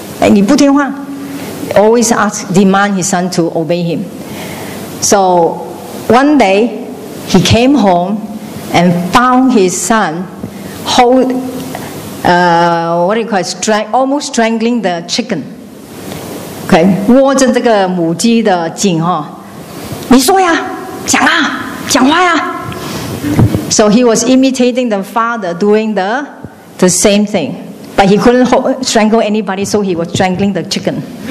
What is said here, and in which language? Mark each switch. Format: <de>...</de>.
<zh>你不听话,</zh> <en>always ask, demand his son to obey him. So one day he came home and found his son almost strangling the chicken. Okay,</en> <zh>握着这个母鸡的颈，你说呀，讲啊，讲话呀。</zh> <en>So he was imitating the father doing the same thing. But he couldn't strangle anybody, so he was strangling the chicken.</en>